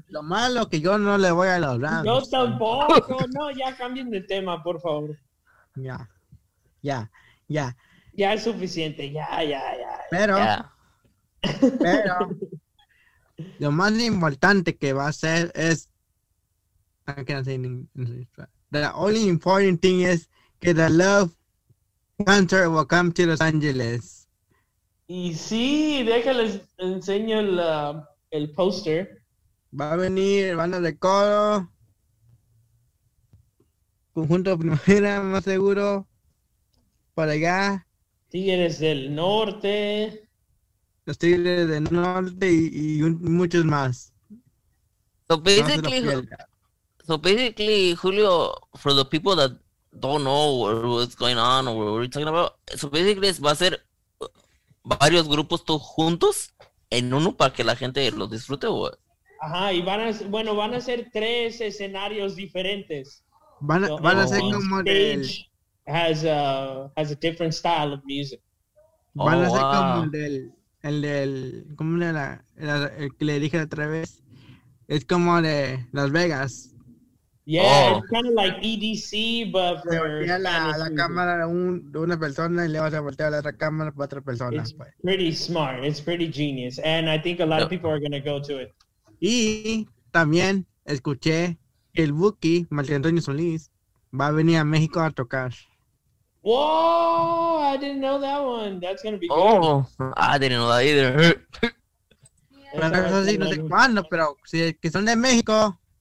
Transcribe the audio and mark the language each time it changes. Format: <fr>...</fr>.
<es>Lo malo que yo no le voy a los Rams. Yo tampoco. No, ya cambien de tema, por favor. Ya es suficiente. Ya. Pero. Pero. Lo más importante que va a ser es.</es> <en>I can't say English, but the only important thing is que the love concert will come to Los Angeles.</en> <es>Y sí, déjales enseño el poster. Va a venir Banda de Coro, Conjunto Primera, más seguro, por allá. Tigres del Norte. Los Tigres del Norte y muchos más.</es> <en>So basically, Julio, for the people that don't know what's going on or what we're talking about, so basically it's</en> <es>va a ser varios grupos todos juntos en uno para que la gente los disfrute. Ajá, y van a ser tres escenarios diferentes. Van a ser como de...</es> <en>has a different style of music.</en> <es>Van a ser como el del... ¿Cómo era? El que le dije otra vez. Es como de Las Vegas.</es> <en>Yeah, it's kind of like EDC, but for</en> <es>la cámara de una persona y le vas a voltear la otra cámara para otra persona.</es> <en>It's pretty smart. It's pretty genius, and I think a lot of people are gonna go to it.</en> <es>Y también escuché que el Buki, Marc Antonio Solís, va a venir a México a tocar.</es> <en>Whoa! I didn't know that one. That's gonna be cool. Oh, I didn't know that either.</en> <es>Pero no sé cuándo, pero si que son de México.</es>